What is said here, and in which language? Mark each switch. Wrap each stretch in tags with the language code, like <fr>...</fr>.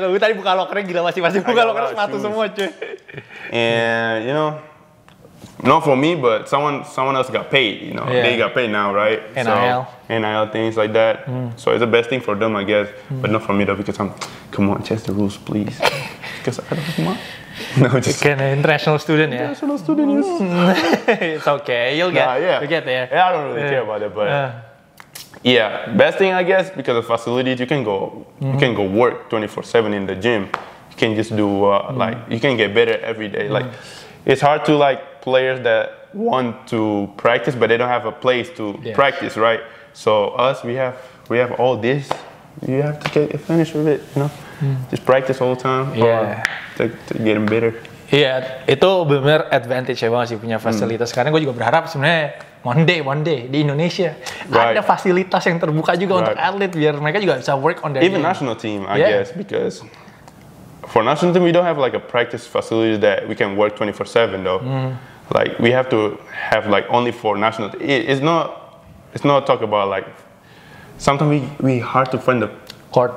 <id>Kalau tadi buka lokernya gila masih buka loker sepatu semua cuy.</id> <en>And you know, not for me, but someone else got paid. You know, they got paid now, right? NIL. So, NIL things like that. So it's the best thing for them, I guess. But not for me though, because I'm. Come on, change the rules, please. Because I don't have money. No, just an international student. Yeah. International student. Yes. It's okay. You'll get there. Yeah, I don't really care about it, but yeah, best thing I guess because of facilities, you can go, you can go work 24/7 in the gym. You can just do like you can get better every day. Like it's hard to like players that want to practice but they don't have a place to practice, right? So us, we have all this. You have to get finished with it, you know. Just practice all the time. Yeah. To get them better.</en> <id>Iya, itu benar advantage ya banget sih punya fasilitas. Karena gue juga berharap sebenarnya</id> <en>one day</en> <id>di Indonesia ada fasilitas yang terbuka juga untuk atlet biar mereka juga bisa</id> <en>work on their even National team, I guess, because for national team we don't have like a practice facility that we can work 24/7 though. Like we have to have like only for national. It's not talk about like sometimes we hard to find the court</en>